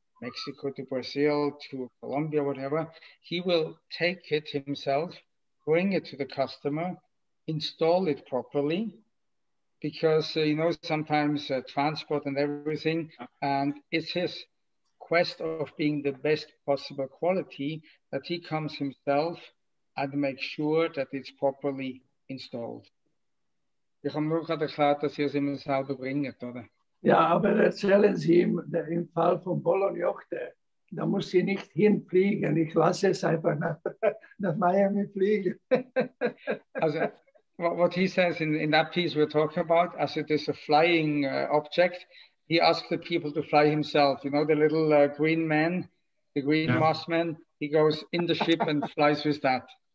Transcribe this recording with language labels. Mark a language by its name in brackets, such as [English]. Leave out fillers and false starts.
[English] Mexico to Brazil to Colombia, whatever. He will take it himself, bring it to the customer, install it properly, because you know, sometimes transport and everything, and it's his quest of being the best possible quality that he comes himself and makes sure that it's properly installed. [German] Ich habe nur gerade erklärt, dass er es immer selber bringt, oder? Ja, aber erzählen Sie ihm, der, im Fall von Bologna, da muss ich nicht hinfliegen, ich lasse es einfach nach Miami fliegen. [English] Also, what he says in that piece we're talking about, as it is a flying object, he asks the people to fly himself, you know, the little green man, the green moss man, he goes in the ship and flies with that.